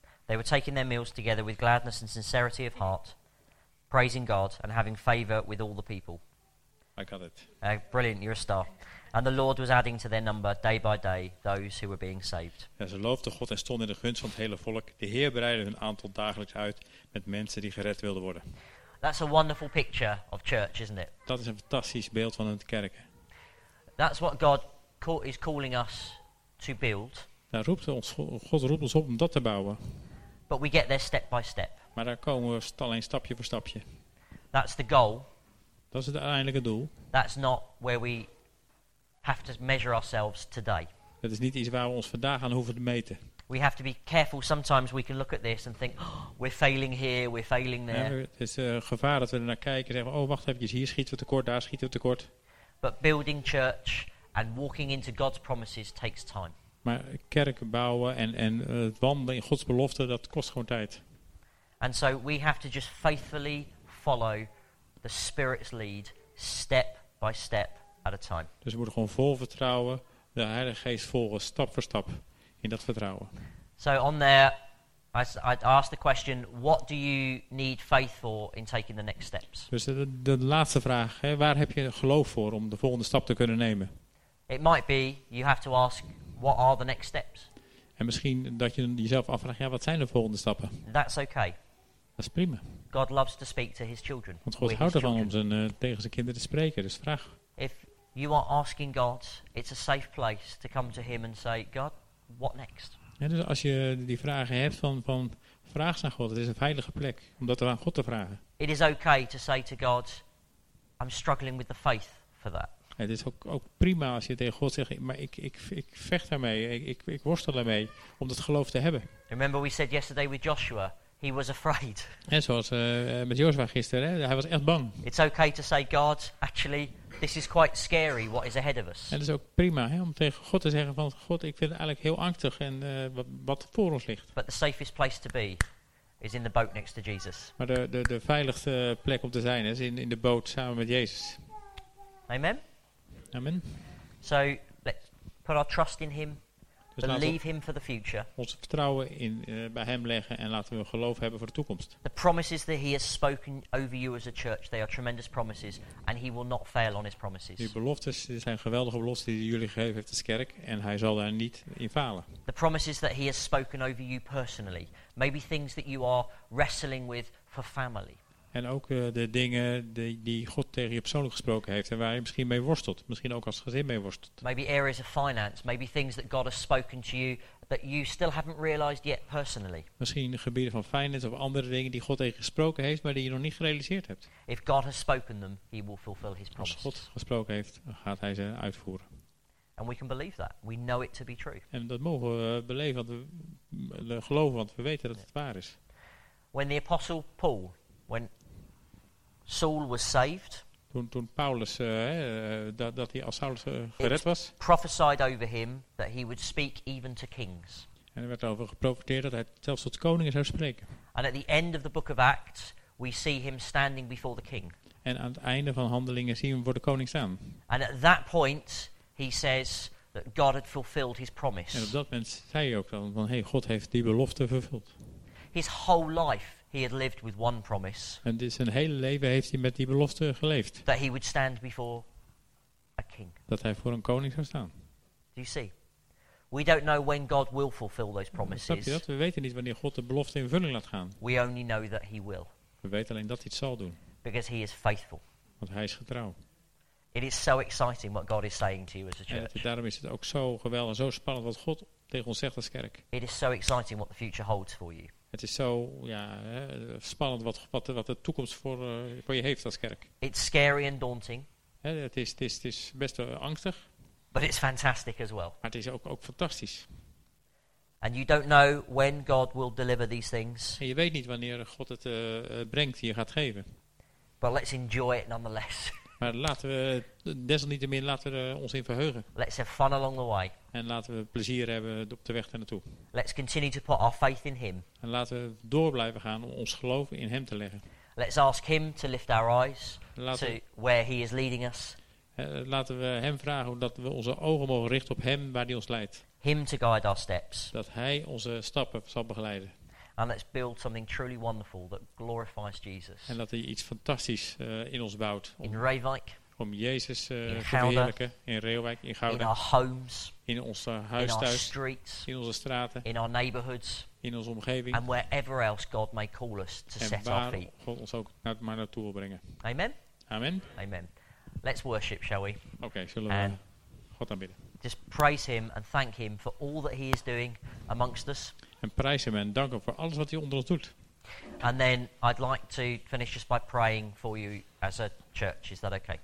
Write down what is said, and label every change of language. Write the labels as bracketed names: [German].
[English] They were taking their meals together with gladness and sincerity of heart, praising God and having favor with all the people. I got it. Brilliant, you're a star. And the Lord was adding to their number day by day those who were being saved. [Dutch] Ja, ze loofden God en stonden in de gunst van het hele volk. De Heer breidde hun aantal dagelijks uit met mensen die gered wilden worden. [English] That's a wonderful picture of church, isn't it? [Dutch] Dat is een fantastisch beeld van een kerk. [English] That's what God is calling us to build. [Dutch] Daar roept ons God roept ons op om dat te bouwen. [English] But we get there step by step. [Dutch] Maar daar komen we alleen stapje voor stapje. [English] That's the goal. [Dutch] Dat is het uiteindelijke doel. [English] That's not where we have to measure ourselves today. [Dutch] Dat is niet iets waar we ons vandaag aan hoeven te meten. [English] We have to be careful. Sometimes we can look at this and think, oh, we're failing here, we're failing there. [Dutch] Ja, het is een gevaar dat we er naar kijken en zeggen, oh wacht even, hier schieten we tekort, daar schieten we tekort. [English] But building church and walking into God's promises takes time. [Dutch] Maar kerk bouwen en het wandelen in Gods belofte, dat kost gewoon tijd. [English] And so we have to just faithfully follow the Spirit's lead, step by step at a time. [Dutch] Dus we moeten gewoon vol vertrouwen de Heilige Geest volgen, stap voor stap. In dat vertrouwen. [English] So on there, I'd ask the question, what do you need faith for in taking the next steps? [Dutch] Dus de laatste vraag, hè, waar heb je geloof voor om de volgende stap te kunnen nemen? [English] It might be, you have to ask, what are the next steps? [Dutch] En misschien dat je jezelf afvraagt, ja, wat zijn de volgende stappen? [English] That's okay. [Dutch] Dat is prima. [English] God loves to speak to his children. [Dutch] Want God houdt ervan om tegen zijn kinderen te spreken, dus vraag. [English] If you are asking God, it's a safe place to come to him and say, God, what next? [Dutch] Ja, dus als je die vragen hebt van vraag ze aan God. Het is een veilige plek om dat aan God te vragen. [English] It is okay to say to God, I'm struggling with the faith for that. [Dutch] Ja, het is ook prima als je tegen God zegt, maar ik vecht daarmee, ik worstel ermee om dat geloof te hebben. [English] Remember we said yesterday with Joshua, he was afraid. [Dutch] En zoals met Joshua gisteren, hè, hij was echt bang. [English] It's okay to say, God, actually, this is quite scary what is ahead of us. [Dutch] En dat is ook prima, hè, om tegen God te zeggen van God, ik vind het eigenlijk heel angstig en wat voor ons ligt. [English] But the safest place to be is in the boat next to Jesus. [Dutch] Maar de veiligste plek om te zijn is in de boot samen met Jezus. [English] Amen. [Dutch] Amen. [English] So let's put our trust in him. Dus believe him for the future. [Dutch] Ons vertrouwen in bij hem leggen en laten we geloof hebben voor de toekomst. [English] The promises that he has spoken over you as a church, they are tremendous promises, and he will not fail on his promises. [Dutch] Die beloftes zijn geweldige beloften die hij jullie gegeven heeft als kerk, en hij zal daar niet in falen. [English] The promises that he has spoken over you personally, maybe things that you are wrestling with for family. [Dutch] En ook de dingen die God tegen je persoonlijk gesproken heeft en waar je misschien mee worstelt, misschien ook als gezin mee worstelt. [English] Maybe areas of finance, maybe things that God has spoken to you that you still haven't realized yet personally. [Dutch] Misschien gebieden van finance of andere dingen die God tegen je gesproken heeft, maar die je nog niet gerealiseerd hebt. [English] If God has spoken them, he will fulfill his promises. [Dutch] Als God gesproken heeft, gaat hij ze uitvoeren. [English] And we can believe that. We know it to be true. [Dutch] En dat mogen we beleven, want we geloven, want we weten dat het waar is. [English] When the apostle Paul, when Saul was saved. [Dutch] Toen Paulus dat hij als Saulus gered was. [English] Prophesied over him that he would speak even to kings. [Dutch] En er werd over geprofeteerd dat hij zelfs tot koningen zou spreken. [English] And at the end of the book of Acts, we see him standing before the king. [Dutch] En aan het einde van Handelingen zien we hem voor de koning staan. [English] And at that point, he says that God had fulfilled his promise. [Dutch] En op dat moment zei hij ook dan van, hey, God heeft die belofte vervuld. [English] His whole life. He had lived with one promise. [Dutch] En dus zijn hele leven heeft hij met die belofte geleefd. [English] That he would stand before a king. [Dutch] Dat hij voor een koning zou staan. [English] Do you see? We don't know when God will fulfill those promises. [Dutch] Snap je dat? We weten niet wanneer God de belofte in vervulling laat gaan. [English] We only know that he will. [Dutch] We weten alleen dat hij het zal doen. [English] Because he is faithful. [Dutch] Want hij is getrouw. [English] It is so exciting what God is saying to you as a church. [Dutch] En daarom is het ook zo geweldig en zo spannend wat God tegen ons zegt als kerk. [English] It is so exciting what the future holds for you. [Dutch] Het is zo spannend wat de toekomst voor je heeft als kerk. [English] It's scary and daunting. [Dutch] Ja, het is best angstig. [English] But it's fantastic as well. [Dutch] Maar het is ook fantastisch. [English] And you don't know when God will deliver these things. [Dutch] En je weet niet wanneer God het brengt en je gaat geven. [English] But let's enjoy it nonetheless. [Dutch] Maar laten we desalniettemin ons in verheugen. [English] Let's have fun along the way. [Dutch] En laten we plezier hebben op de weg ernaartoe. [English] Let's continue to put our faith in him. [Dutch] En laten we door blijven gaan om ons geloof in hem te leggen. [English] Let's ask him to lift our eyes to where he is leading us. [Dutch] Laten we hem vragen dat we onze ogen mogen richten op hem waar hij ons leidt. [English] Him to guide our steps. [Dutch] Dat hij onze stappen zal begeleiden. [English] And let's build something truly wonderful that glorifies Jesus. [Dutch] En dat hij iets fantastisch in ons bouwt. [English] In Reewijk. [Dutch] Om Jezus te verheerlijken. [English] In Reewijk, in Gouda. In our homes. [Dutch] In ons huis in thuis. [English] Our streets, [Dutch] in onze straten. [English] In our neighborhoods. [Dutch] In onze omgeving. [English] And wherever else God may call us to set our feet. [Dutch] En waar God ons ook maar naartoe wil brengen. [English] Amen. [Dutch] Amen. [English] Amen. Let's worship, shall we? [Dutch] Okay, zullen we God aanbidden. [English] Just praise him and thank him for all that he is doing amongst us. [Dutch] En prijs hem en dank hem voor alles wat hij onder ons doet. [English] And then I'd like to finish just by praying for you as a church. Is that okay?